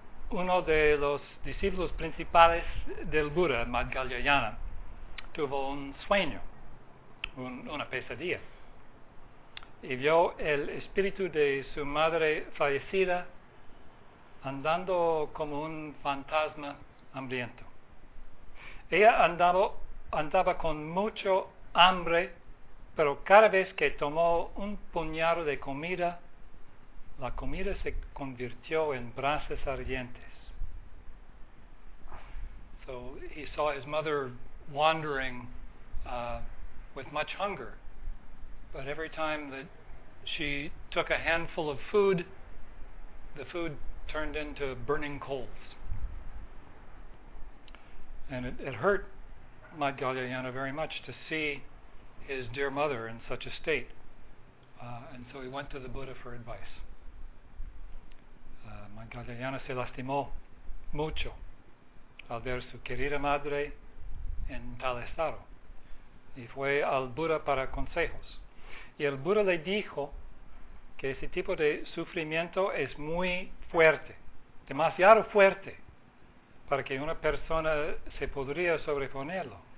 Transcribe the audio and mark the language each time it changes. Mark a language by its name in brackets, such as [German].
[Spanish] Uno de los discípulos principales del Buda, Madhgalyayana, tuvo un sueño, una pesadilla, y vio el espíritu de su madre fallecida andando como un fantasma hambriento. Ella andaba con mucho hambre, pero cada vez que tomó un puñado de comida, la comida se convirtió en brasas ardientes. [English] So he saw his mother wandering with much hunger, but every time that she took a handful of food, the food turned into burning coals. And it hurt Madhgalyayana very much to see his dear mother in such a state. And so he went to the Buddha for advice. [Spanish] Madhgalyayana se lastimó mucho al ver su querida madre en tal estado. Y fue al Buddha para consejos. Y el Buddha le dijo que ese tipo de sufrimiento es muy fuerte, demasiado fuerte, para que una persona se podría sobreponerlo.